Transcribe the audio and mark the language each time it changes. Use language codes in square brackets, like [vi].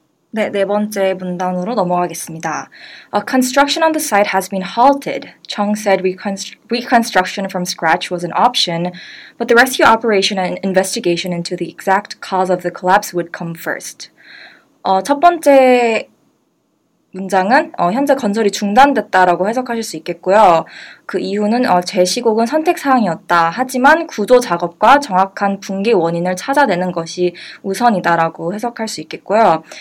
[ko] 네, 네 번째 문단으로 넘어가겠습니다. [en] Construction on the site has been halted. Chung said reconstruction from scratch was an option, but the rescue operation and investigation into the exact cause of the collapse would come first. [ko] 첫 번째 문장은 현재 건설이 중단됐다라고 해석하실 수 있겠고요. 그 이유는 제시곡은 선택사항이었다. 하지만 구조작업과 정확한 붕괴 원인을 찾아내는 것이 우선이다라고 해석할 수 있겠고요.